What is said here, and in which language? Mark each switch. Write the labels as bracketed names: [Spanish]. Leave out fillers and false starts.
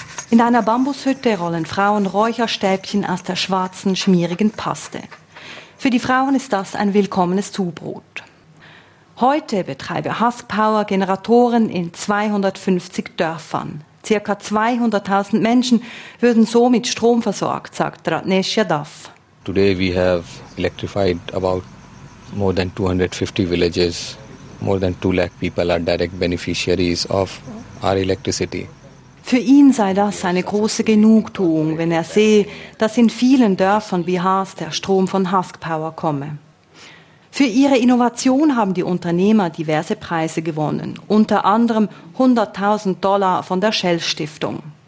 [German] In einer Bambushütte rollen Frauen Räucherstäbchen aus der schwarzen, schmierigen Paste. Für die Frauen ist das ein willkommenes Zubrot. Heute betreibe Husk Power Generatoren in 250 Dörfern. Circa 200.000 Menschen würden so mit Strom versorgt, sagt Ratnesh Yadav. [English] Today we have electrified about more than 250 villages. More than 2 lakh people are direct beneficiaries of our electricity. [German] Für ihn sei das eine große Genugtuung, wenn er sehe, dass in vielen Dörfern Bihars der Strom von Husk Power komme. Für ihre Innovation haben die Unternehmer diverse Preise gewonnen, unter anderem $100.000 von der Shell-Stiftung.